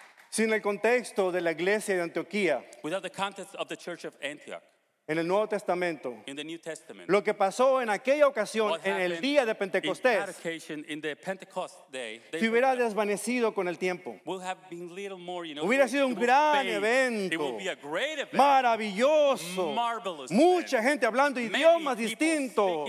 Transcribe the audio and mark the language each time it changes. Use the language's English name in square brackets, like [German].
[Spanish] Sin el contexto de la iglesia de Antioquía, [English] without the context of the church of Antioch, [Spanish] en el Nuevo Testamento, [English] in the New Testament, [Spanish] lo que pasó en aquella ocasión, en el día de Pentecostés, [English] in that occasion, in the Pentecost day, [Spanish] se hubiera desvanecido con el tiempo. [English] Will have been little more, you know, [Spanish] hubiera sido un gran evento. [English] It will be a great event. [Spanish] Maravilloso. [English] Marvelous. [Spanish] Mucha gente hablando idiomas distintos.